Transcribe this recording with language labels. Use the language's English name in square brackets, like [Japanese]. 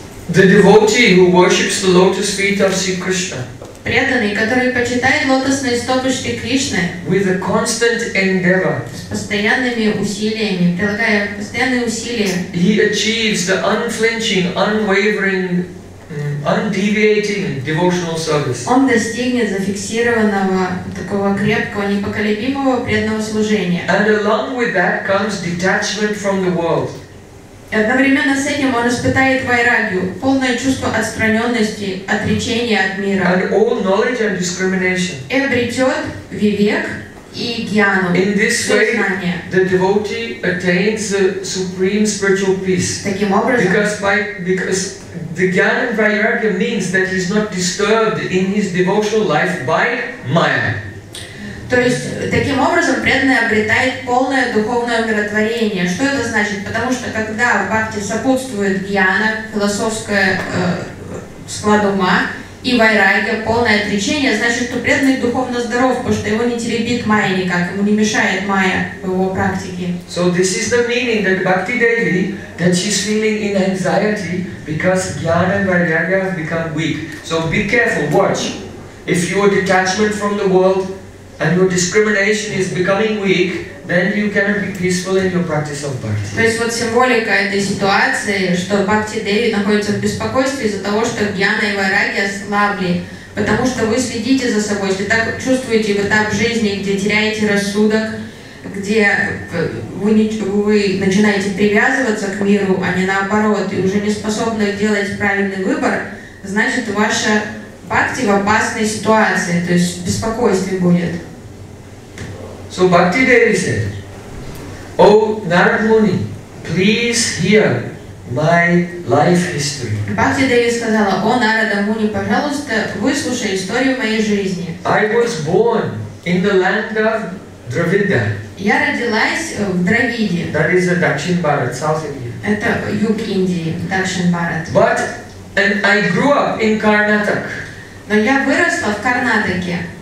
[English] The devotee who worships the lotus feet of Sri Krishna. [Russian] Преданный, который почитает лотосные стопышки Кришны. [English] With a constant endeavor. [Russian] С постоянными усилиями, прилагая постоянные усилия. [English] He achieves the unflinching, unwavering, undeviating devotional service. [Russian] Он достигнет зафиксированного такого крепкого, непоколебимого преданного служения. [English] And along with that comes detachment from the world. [Russian] И одновременно с этим он испытает вайрагью, полное чувство отстраненности, отречения от мира. [English] And all knowledge and discrimination. [Russian] И обретет вивек и гьяну. [English] In this way, the devotee attains the supreme spiritual peace. [Russian] Таким образом, [English] because the gyan and vairagya means that he's not disturbed in his devotional life by maya. [Russian] То есть, таким образом, преданный обретает полное духовное умиротворение. Что это значит? Потому что, когда в бхакти сопутствует гьяна, философская склад ума и вайрагья, полное отречение, значит, то преданный духовно здоров, потому что его не теребит майя никак, ему не мешает майя в его практике. [English] So this is the meaning that Bhakti Devi, that she's feeling in anxiety, because gyan and vairagya have become weak. So be careful, watch. If your detachment from the world and your discrimination is becoming weak, then you cannot be peaceful in your practice of bhakti. [Russian] То есть вот символика этой ситуации, что Бхакти Деви находится в беспокойстве из-за того, что гьяна и вайрагья ослабли, потому что вы следите за собой, если так чувствуете вы так в жизни, где теряете рассудок, где вы начинаете привязываться к миру, а не наоборот, и уже не способны делать правильный выбор, значит ваша бхакти в опасной ситуации, то есть в беспокойстве будет. [English] So Bhakti Devi said, "O Narad Muni, please hear my life history." [Russian] Bhakti Devi сказала, "O Narada Muni, пожалуйста, выслушай историю моей жизни." [English] I was born in the land of Dravida. [Russian] Я родилась в Дравиде. [English] That is the Dakshin Bharat, south India. [Russian] Это юг Индии, Дакшин Бхарат. [English] But and I grew up in Karnataka. [Russian] Но я выросла в Карнатаке.